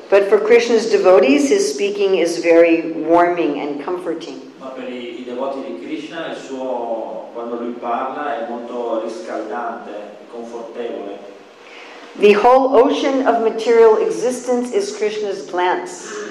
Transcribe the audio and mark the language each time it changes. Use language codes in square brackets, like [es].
[en] But for Krishna's devotees, his speaking is very warming and comforting. [it] Ma per i devoti di Krishna, quando lui parla è molto riscaldante, confortevole. [en] The whole ocean of material existence is Krishna's glance.